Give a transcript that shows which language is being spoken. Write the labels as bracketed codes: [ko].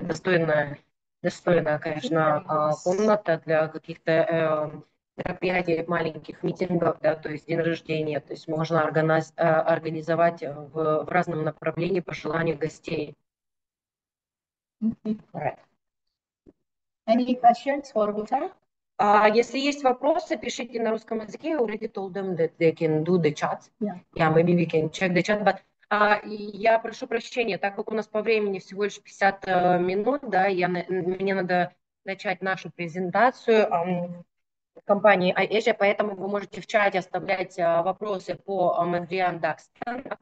[ru] Достойная, конечно, комната для каких-то мероприятий, маленьких митингов, да, то есть день рождения. То есть можно организовать в разном направлении по желанию гостей. [en] Any questions for Buta? [ru] Если есть вопросы, пишите на русском языке. [en] I already told them that they can do the chat. Yeah. Yeah, maybe we can check the chat. [ru] But я прошу прощения, так как у нас по времени всего лишь 50 минут, да, мне надо начать нашу презентацию компании iAsia, поэтому вы можете в чате оставлять вопросы по Мадриан Дакстан.